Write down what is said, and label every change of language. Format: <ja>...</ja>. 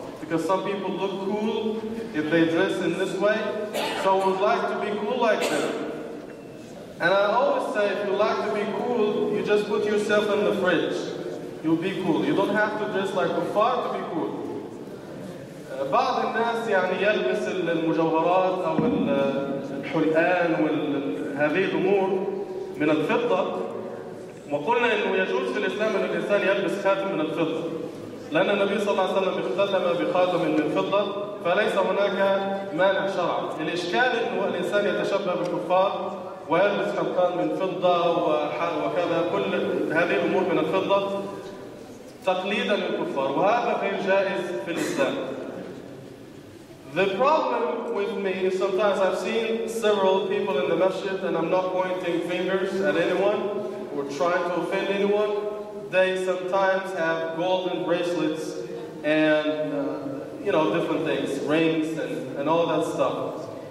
<en>Because some people look cool if they dress in this way, so we'd like to be cool like them. And I always say, if you like to be cool, you just put yourself in the fridge. You'll be cool. You don't have to dress like a kuffar to be cool.</en> <ar>بعض الناس يعني يلبس المجوهرات أو الحلقان وهذه الأمور من الفضة. وقلنا إنه يجوز في الإسلام أن الإنسان يلبس خاتم من الفضة، لأن النبي صلى الله عليه وسلم اختتم بخاتم من الفضة، فليس هناك مانع شرعا. الإشكال إنه الإنسان يتشبه بالكفار ويلبس حلقان من فضة وكذا، كل هذه الأمور من الفضة تقليدا للكفار، وهذا غير جائز في الإسلام.</ar> <en>The problem with me is sometimes I've seen several people in the masjid, and I'm not pointing fingers at anyone or trying to offend anyone. They sometimes have golden bracelets and you know, different things, rings and all that stuff.</en>